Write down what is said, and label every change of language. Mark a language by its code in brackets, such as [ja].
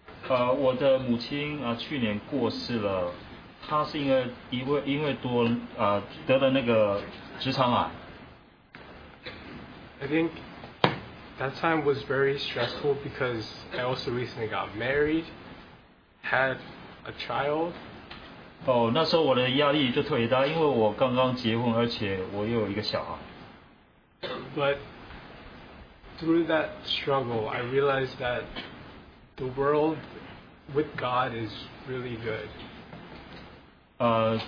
[zh] 我的母亲啊，去年过世了。他是因为得了那个直肠癌。 [en] I think that time was very stressful because I also recently got married, had a child. [zh] 那时候我的压力就特别大，因为我刚刚结婚，而且我又有一个小孩。 [en] But through that struggle, I realized that the world with God is really good.